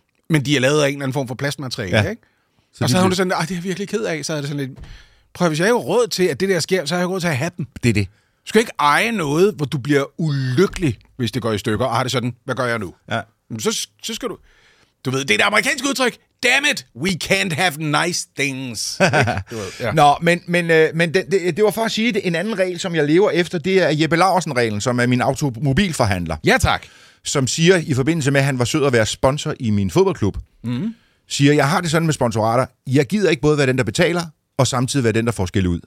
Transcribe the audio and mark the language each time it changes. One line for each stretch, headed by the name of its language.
Danish: Men de er lavet af en eller anden form for plastmateriale, ikke? Så og så har hun det sådan, det er virkelig ked af. Så er det sådan lidt... Prøv, hvis jeg har råd til, at det der sker, så har jeg råd til at have dem. Det er det. Du skal ikke eje noget, hvor du bliver ulykkelig, hvis det går i stykker, og har det sådan, hvad gør jeg nu? Ja. Så skal du... Du ved, det er det amerikanske udtryk.
English: Damn it, we can't have nice things.
Danish: Ja. Nå, men det var for at sige det. En anden regel, som jeg lever efter, det er Jeppe Larsen-reglen, som er min automobilforhandler. Ja, tak. Som siger, i forbindelse med, at han var sød at være sponsor i min fodboldklub, siger, jeg har det sådan med sponsorater. Jeg gider ikke både være den, der betaler, og samtidig være den, der får skæld ud.